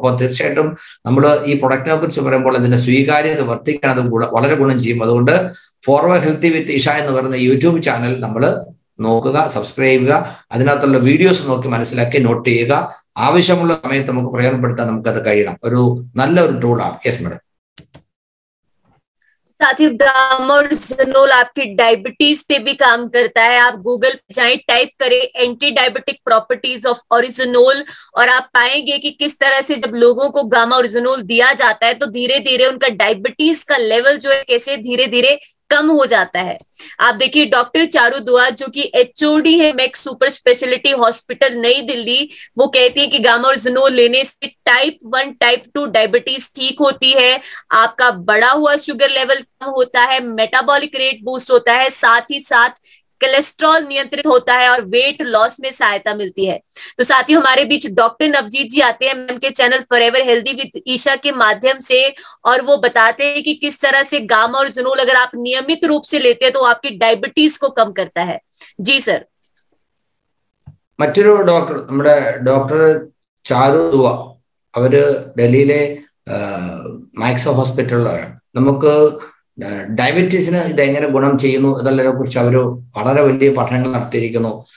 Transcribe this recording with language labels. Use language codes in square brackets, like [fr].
[ml] അപ്പോൾ തീർച്ചയായിട്ടും നമ്മൾ ഈ പ്രൊഡക്റ്റിനെ കുറിച്ച് പറയുമ്പോൾ അതിൻ്റെ സ്വീകാര്യത വർദ്ധിക്കുന്നതും കൂടെ വളരെ ഗുണം ചെയ്യും. അതുകൊണ്ട് ഫോർവേ ഹെൽത്തി വിത്ത് ഇഷ എന്ന് പറയുന്ന യൂട്യൂബ് ചാനൽ നമ്മൾ നോക്കുക, സബ്സ്ക്രൈബ് ചെയ്യുക, അതിനകത്തുള്ള വീഡിയോസ് നോക്കി മനസ്സിലാക്കി നോട്ട് ചെയ്യുക. ആവശ്യമുള്ള സമയത്ത് നമുക്ക് പ്രയോജനപ്പെടുത്താൻ നമുക്കത് കഴിയണം. ഒരു നല്ലൊരു ടൂളാണ്. [en] Yes madam. [hi] साथ ही गामा और जुनोल आपकी डायबिटीज पे भी काम करता है. आप गूगल पे जाए, टाइप करें एंटी डायबिटिक प्रॉपर्टीज ऑफ ओरिजिनोल और आप पाएंगे कि किस तरह से जब लोगों को गामा और जुनोल दिया जाता है तो धीरे धीरे उनका डायबिटीज का लेवल जो है कैसे धीरे धीरे कम हो जाता है. आप देखिए डॉक्टर चारू दुआ जो कि HOD है मैक सुपर स्पेशलिटी हॉस्पिटल नई दिल्ली, वो कहती है कि गामा और जुनोल लेने से Type 1 Type 2 डायबिटीज ठीक होती है, आपका बढ़ा हुआ शुगर लेवल कम होता है, मेटाबॉलिक रेट बूस्ट होता है, साथ ही साथ कोलेस्ट्रॉल नियंत्रित होता है और वेट लॉस में सहायता मिलती है. तो साथ ही हमारे बीच डॉक्टर नवजीत जी आते हैं मैम के channel forever healthy with Isha के माध्यम से और वो बताते हैं कि किस तरह से गामा और जुनोल अगर आप नियमित रूप से लेते हैं तो आपकी डायबिटीज को कम करता है. जी सर, [ml] മറ്റൊരു ഡോക്ടർ നമ്മുടെ ഡോക്ടർ ചാരു ദുവ അവര് ഡൽഹിയിലെ മാക്സ് ഹോസ്പിറ്റലിലാണ്. നമുക്ക് ഡയബറ്റീസിന് ഇതെങ്ങനെ ഗുണം ചെയ്യുന്നു ഇതെല്ലാം കുറിച്ച് അവർ വളരെ വലിയ പഠനങ്ങൾ നടത്തിയിരിക്കുന്നു.